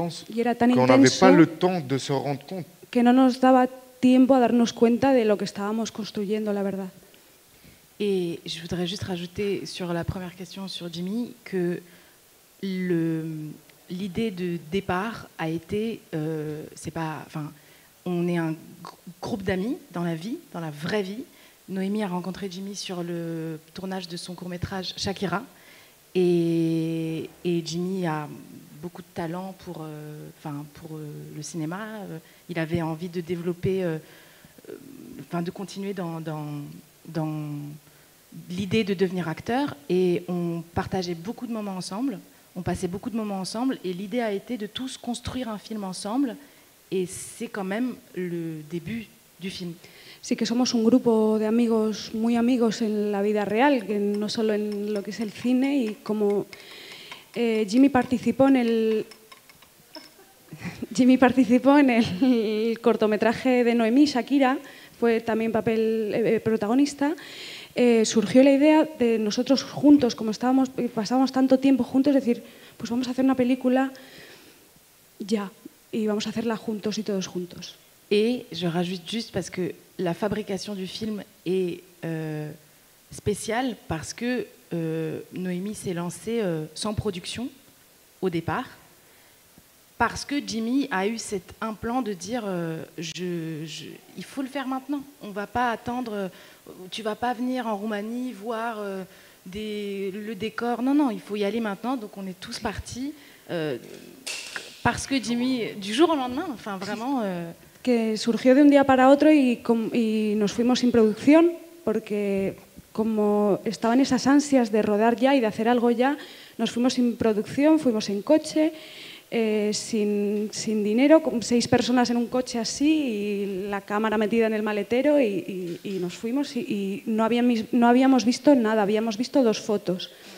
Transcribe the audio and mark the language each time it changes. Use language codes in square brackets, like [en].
[es] Y era tan intenso que no había el tiempo de [fr] se rendre [es] cuenta. Que no nos daba tiempo a darnos cuenta de lo que estábamos construyendo, la verdad. [fr] Y je voudrais juste rajouter sur la première question sur Jimmy que l'idée de départ a été on est un groupe d'amis dans la vie, dans la vraie vie. Noémie a rencontré Jimmy sur le tournage de son court-métrage Shakira et Jimmy a beaucoup de talent pour le cinéma. Il avait envie de développer, de continuer dans l'idée de devenir acteur. Et on partageait beaucoup de moments ensemble. On passait beaucoup de moments ensemble. Et l'idée a été de tous construire un film ensemble. Et c'est quand même le début du film. [es] Sí, que somos un grupo de amigos, muy amigos en la vida real, que no solo en lo que es el cine y como Jimmy participó en el cortometraje de Noemí, Shakira, fue también papel protagonista. Surgió la idea de nosotros juntos, como estábamos, pasábamos tanto tiempo juntos, decir, pues vamos a hacer una película ya y vamos a hacerla juntos y todos juntos. [fr] Y je rajoute juste parce que la fabrication du film est spéciale parce que Noémie s'est lancée sans production au départ parce que Jimmy a eu cet implant de dire il faut le faire maintenant, on va pas attendre, tu vas pas venir en Roumanie voir le décor, non, il faut y aller maintenant. Donc on est tous partis parce que Jimmy, du jour au lendemain, enfin vraiment [es] que surgió de un día para otro y nos fuimos sin producción porque como estaban esas ansias de rodar ya y de hacer algo ya, nos fuimos sin producción, fuimos en coche, sin dinero, con 6 personas en un coche así y la cámara metida en el maletero y nos fuimos y no habíamos visto nada, habíamos visto 2 fotos.